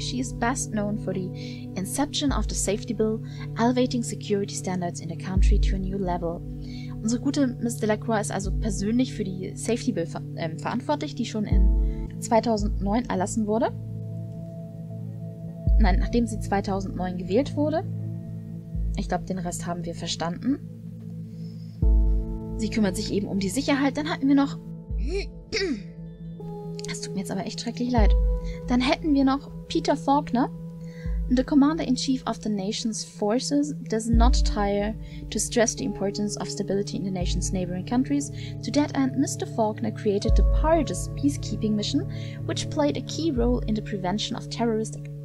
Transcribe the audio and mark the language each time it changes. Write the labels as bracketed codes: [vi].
[en] She is best known for the inception of the Safety Bill, elevating security standards in the country to a new level. [de] Unsere gute Ms. Delacroix ist also persönlich für die Safety Bill verantwortlich, die schon in 2009 erlassen wurde. Nein, nachdem sie 2009 gewählt wurde. Ich glaube, den Rest haben wir verstanden. Sie kümmert sich eben um die Sicherheit. Dann hatten wir noch... Es tut mir jetzt aber echt schrecklich leid. Dann hätten wir noch Peter Faulkner. [en] The Commander-in-Chief of the Nation's Forces does not tire to stress the importance of stability in the nation's neighboring countries. To that end, Mr. Faulkner created the Pirates Peacekeeping Mission, which played a key role in the prevention of terrorist